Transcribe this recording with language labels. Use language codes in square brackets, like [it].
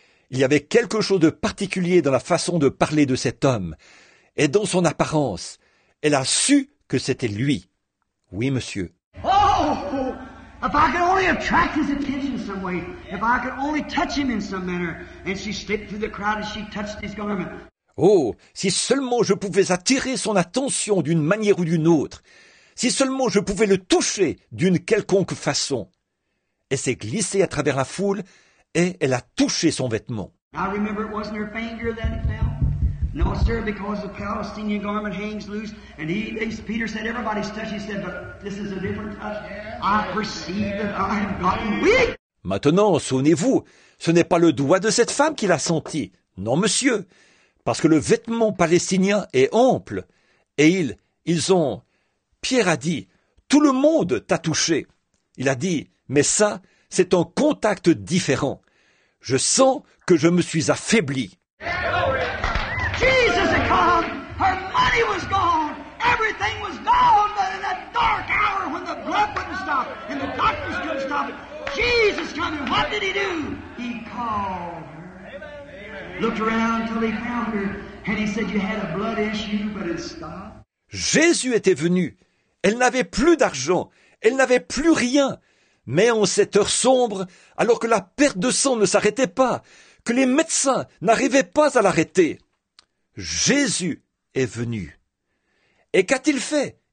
[fr] il y avait quelque chose de particulier dans la façon de parler de cet homme et dans son apparence. Elle a su que c'était lui. Oui, monsieur. Oh! [en] If I could only attract his attention some way, if I could only touch him in some manner, and she slipped through the crowd and she touched his garment. Oh! [fr] Si seulement je pouvais attirer son attention d'une manière ou d'une autre, si seulement je pouvais le toucher d'une quelconque façon. Elle s'est glissée à travers la foule. Et elle a touché son vêtement. [en] I remember it wasn't her finger that it fell. No, sir, because the Palestinian garment hangs loose. And Peter said, everybody's touched. He said, but this is a different touch. I perceive that I have gotten weak. [fr] Maintenant, souvenez-vous, ce n'est pas le doigt de cette femme qui l'a senti. Non, monsieur, parce que le vêtement palestinien est ample. Et Pierre a dit, tout le monde t'a touché. Il a dit, mais ça... C'est un contact différent. Je sens que je me suis affaibli. [en] Jesus had come. Her money was gone. Everything was gone. But in that dark hour when the blood wouldn't stop and the doctors couldn't stop it, Jesus came. And what did he do? He called her. Looked around until he found her. And he said, you had a blood issue, but it stopped. [fr] Jésus était venu. Elle n'avait plus d'argent. Elle n'avait plus rien. Mais en cette heure sombre, alors que la perte de sang ne s'arrêtait pas, que les médecins n'arrivaient pas à l'arrêter, Jésus est venu. Et qu'a-t-il fait?